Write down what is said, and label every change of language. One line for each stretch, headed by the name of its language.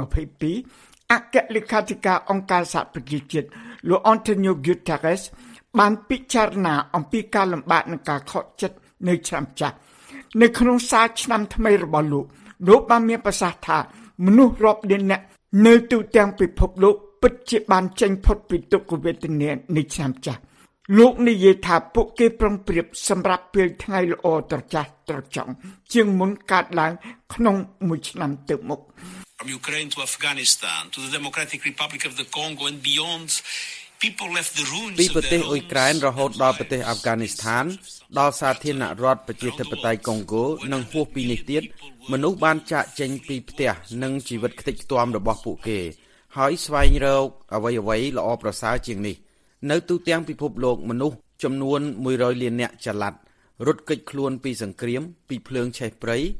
Khmer: 2022អគ្គលេខាធិការអង្គការសហប្រជាជាតិលោក Antonio Guterres បានពិចារណាអំពីការលំបាកនិងការខកចិត្តនៅឆ្នាំចាស់នៅក្នុងសារឆ្នាំថ្មីរបស់លោកលោកបានមានប្រសាសន៍ថាមនុស្សរាប់លាននាក់នៅទូទាំងពិភពលោកពិតជាបានចេញផុតពីទុក្ខវេទនានៃឆ្នាំចាស់លោកនិយាយថាពួកគេប្រឹងប្រៀបសម្រាប់ពេលថ្ងៃល្អត្រចះត្រចង់ជាងមុនកើតឡើងក្នុងមួយឆ្នាំទៅមុខ
English: From Ukraine to Afghanistan to the Democratic Republic of the Congo and beyond people left the ruins of the
Khmer: ប្រទេសអ៊ុយក្រែនរហូតដល់ប្រទេសអាហ្វហ្គានីស្ថានដល់សាធារណរដ្ឋប្រជាធិបតេយ្យកុងហ្គោនិងហួសពីនេះទៀតមនុស្សបានចាកចេញពីផ្ទះនិងជីវិតខ្ទេចខ្ទាំរបស់ពួកគេហើយស្វែងរកអ្វីៗល្អប្រសើរជាងនេះនៅទូទាំងពិភពលោកមនុស្សចំនួន100លាននាក់ចល័តរត់គេចខ្លួនពីសង្គ្រាមពីភ្លើងឆេះព្រៃ